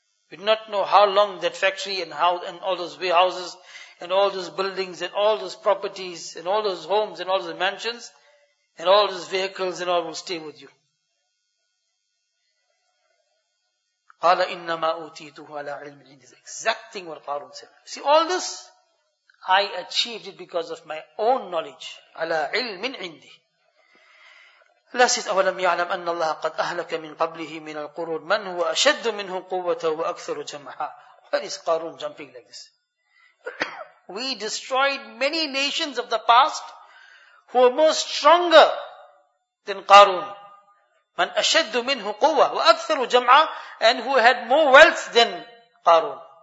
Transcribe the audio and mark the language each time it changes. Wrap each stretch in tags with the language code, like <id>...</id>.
<en>We do not know how long that factory and how and all those warehouses and all those buildings and all those properties and all those homes and all those mansions and all those vehicles and all will stay with you.</en> <ar>قَالَ إِنَّمَا أُوْتِيْتُهُ عَلَىٰ عِلْمِ الْعِنْدِ.</ar> <en>It's the exact thing what Qarun said. See, all this, I achieved it because of my own knowledge.</en> <ar>عَلَىٰ عِلْمٍ عِنْدِ.</ar> <en>Allah says,</en> <ar>أَوَلَمْ يَعْلَمْ أَنَّ اللَّهَ قَدْ أَهْلَكَ مِنْ قَبْلِهِ مِنَ الْقُرُونِ مَنْ هُوَ أَشَدُّ مِنْهُ قُوَّةً وَأَكْثَرُ جَمْحًا.</ar> <en>Why is Qarun jumping like this? We destroyed many nations of the past who are more stronger than Qarun.</en> <ar>مَنْ أَشَدُّ مِنْهُ قُوَّةً وَأَكْثَرُ جَمْعًا,</ar> <en>and who had more wealth than Qarun.</en>